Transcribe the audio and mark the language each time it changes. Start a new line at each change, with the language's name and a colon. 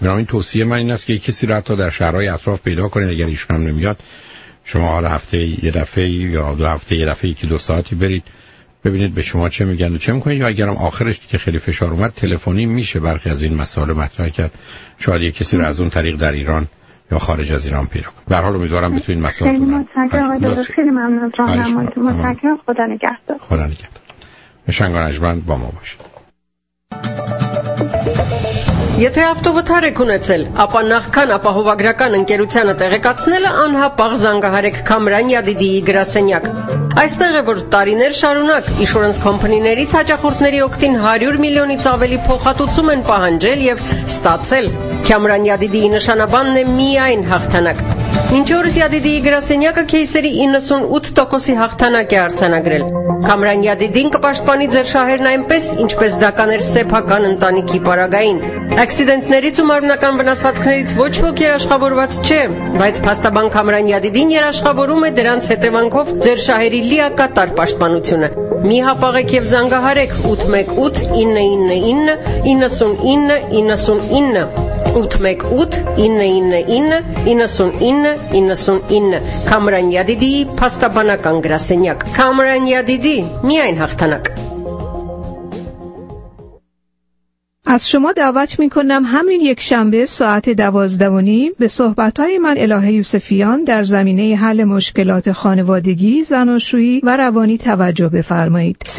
Persian: بنابراین توصیه من این است که کسی رو حتی در شهرهای اطراف پیدا کنید، اگر ایشون هم نمیاد شما حالا هفته یه دفعه یا دو هفته یه دفعه یکی دو ساعتی برید ببینید به شما چه میگن و چه میکنید، یا اگرم آخرش که خیلی فشار اومد تلفنی میشه برخی از این مسائل مطرح کرد، شاید یه کسی رو از اون طریق در ایران یا خارج از ایران پیدا کنید. به هر حال امیدوارم بتونید مسائل رو. خیلی ممنون راهنماییتون، متشکرم، خدا نگهدار. خدا نگهدار. مشنگان اجمن با ما باشید.
Armenian: Եթե ավտովթար եք ունեցել, ապա նախքան ապահովագրական ընկերությանը տեղեկացնելը անհապաղ զանգահարեք Քամրանյա Դիդիի գրասենյակ։ Այստեղ է, որ տարիներ շարունակ ինշուրենս կոմպանիներից հաճախորդների օգտին 100 միլիոնից ավելի փոխհատուցում են պահանջել եւ ստացել։ Քամրանյա Դիդիի նշանաբանն է միայն հաղթանակ։ Մինչ օրս Յադիդիի գրասենյակը քեյսերի 98% հաղթանակ է արձանագրել։ Քամրանյա Դիդին կպաշտպանի ձեր շահերն այնպես, ինչպես դա կաներ սեփական ընտանիքի պարագային։ Աքսիդենտներից ու մարմնական վնասվածքներից ոչ ոք երաշխավորված չէ, բայց փաստաբան Քամրանյա Դիդին երաշխավորում է դրանց հետևանքով ձեր շահերի լիակատար պաշտպանությունը։ Մի հապաղեք եւ զանգահարեք 818-999-9999 818-999-9999 Քամրանյա Դիդիի փաստաբանական գրասենյակ։ Քամրանյա Դիդի, միայն հաղթանակ։
Persian: از شما دعوت میکنم همین یک شنبه ساعت 12:30 به صحبت‌های من الهه یوسفیان در زمینه حل مشکلات خانوادگی، زناشویی و روانی توجه بفرمایید.